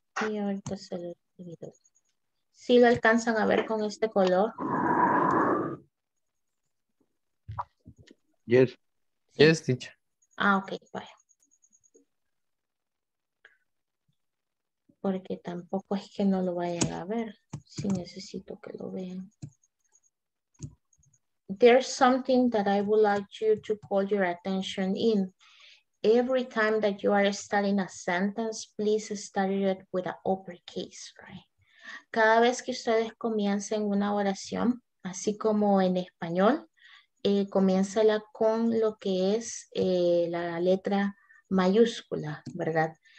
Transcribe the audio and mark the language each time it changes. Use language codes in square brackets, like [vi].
[es] Y ahorita se lo divido. ¿Sí lo alcanzan a ver con este color? [en] Yes. ¿Sí? Yes, teacher. [es] Ah, ok, vaya. Bueno. Porque tampoco es que no lo vayan a ver. Sí, necesito que lo vean. [en] There's something that I would like you to call your attention in. Every time that you are starting a sentence, please start it with an uppercase, right? [es] Cada vez que ustedes comiencen una oración, así como en español, Comiénzala con lo que es la letra mayúscula, ¿verdad?